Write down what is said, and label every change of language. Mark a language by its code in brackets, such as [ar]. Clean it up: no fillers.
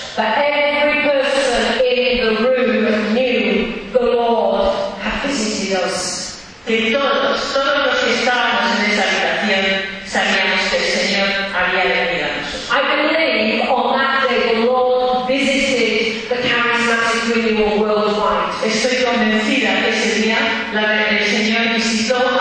[en] But every person in the room knew the Lord had visited us. [es] Que todos los que estábamos en esa habitación sabíamos que el Señor había venido a nosotros. [en] I believe on that day the Lord visited the charismatic renewal worldwide. [es] Estoy convencida que ese día la verdad el Señor visitó.